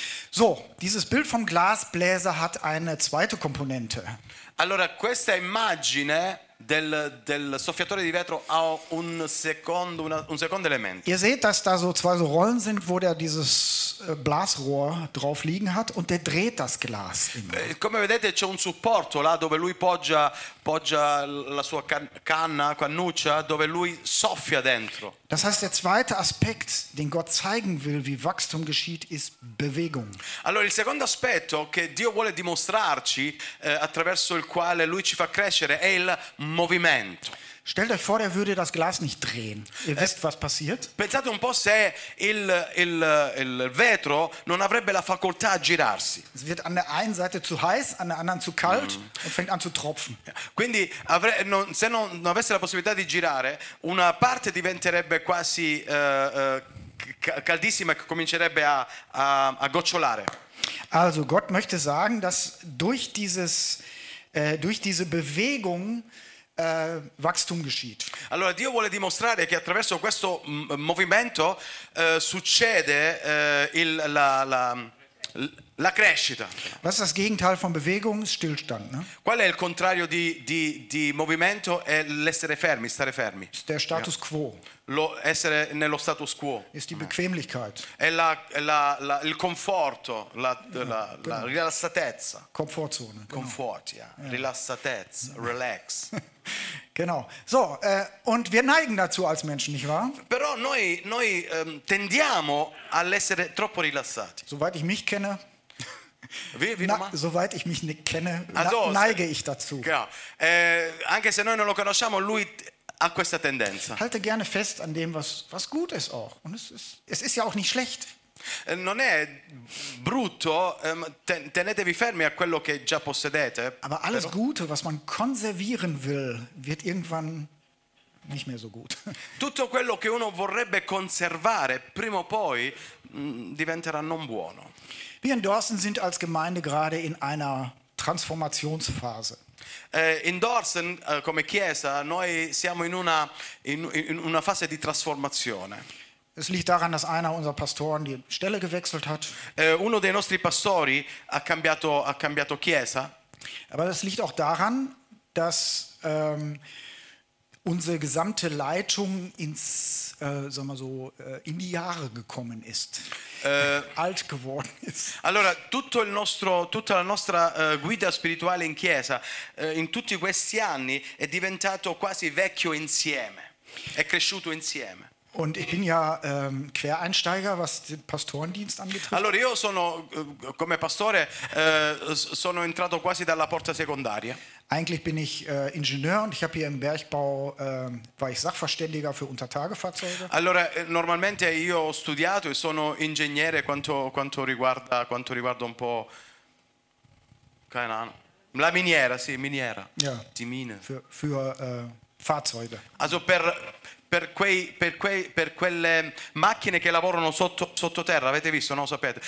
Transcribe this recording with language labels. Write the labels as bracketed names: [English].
[German] So, dieses Bild vom Glasbläser hat eine zweite Komponente. [Italian] Allora, questa immagine del soffiatore di vetro ha un secondo elemento. [German] Ihr seht, dass da so zwei so Rollen sind, wo der dieses Blasrohr drauf liegen hat und der dreht das Glas immer. [Italian] Come vedete c'è un supporto là dove lui poggia la sua canna, cannuccia, dove lui soffia dentro. [German] Das heißt, der zweite Aspekt, den Gott zeigen will, wie Wachstum geschieht, ist Bewegung. [Italian] Allora, il secondo aspetto che Dio vuole dimostrarci attraverso il quale lui ci fa crescere è il movimento. [German] Stellt euch vor, er würde das Glas nicht drehen. Ihr wisst, was passiert? [Italian] Pensate un po' se il vetro non avrebbe la facoltà a girarsi. [German] Es wird an der einen Seite zu heiß, an der anderen zu kalt und fängt an zu tropfen. [Italian] Quindi se non avesse la possibilità di girare, una parte diventerebbe quasi caldissima e comincerebbe a gocciolare. [German] Also Gott möchte sagen, dass durch dieses durch didiese Bewegung Wachstum geschieht. [Italian] Allora Dio vuole dimostrare che attraverso questo movimento succede la crescita. [German] Was ist das Gegenteil von Bewegung? Stillstand, ne? [Italian] Qual è il contrario di movimento? È l'essere fermi, stare fermi. [German] Der Status quo. [Italian] Lo essere nello status quo. [German] Ist die Bequemlichkeit. [Italian] È la il conforto, la rilassatezza. [German] Komfortzone. Komfort, ja. [Italian] Rilassatezza, relax. [German] Genau. So, und wir neigen dazu als Menschen, nicht wahr? [Italian] Però noi tendiamo all'essere troppo rilassati. [German] Soweit ich mich kenne. Soweit ich mich nicht kenne, neige ich dazu. Genau. [Italian] Anche se noi non lo conosciamo, lui ha questa tendenza. [German] Halte gerne fest an dem, was gut ist auch. Und es ist ja auch nicht schlecht. [Italian] Non è brutto, tenetevi fermi a quello che già possedete. [German] Aber alles Gute, was man konservieren will, wird irgendwann nicht mehr so gut. [Italian] Tutto quello che uno vorrebbe conservare, prima o poi, diventerà non buono. [German] Wir in Dorsten sind als Gemeinde gerade in einer Transformationsphase. [Italian] In Dorsten, come Chiesa, noi siamo in una fase di trasformazione. [German] Es liegt daran, dass einer unserer Pastoren die Stelle gewechselt hat. [Italian] Uno dei nostri pastori ha cambiato Chiesa. [German] Aber das liegt auch daran, dass unsere gesamte Leitung in die Jahre gekommen ist, alt geworden ist. [Italian] Allora, tutta la nostra guida spirituale in chiesa in tutti questi anni è diventato quasi vecchio insieme, è cresciuto insieme. [German] Und ich bin ja Quereinsteiger, was den Pastorendienst angetrifft. [Italian] Allora, io sono come pastore sono entrato quasi dalla porta secondaria. [German] Eigentlich bin ich Ingenieur und ich habe hier im Bergbau war ich Sachverständiger für Untertagefahrzeuge. [Italian] Allora, normalmente io ho studiato e sono ingegnere quanto riguarda un po', [German] keine Ahnung, [Italian] la miniera, sì, miniera. [German] Ja. Die Mine. Für Fahrzeuge. [Italian] Also per quelle macchine che lavorano sottoterra, avete visto, no, sapete?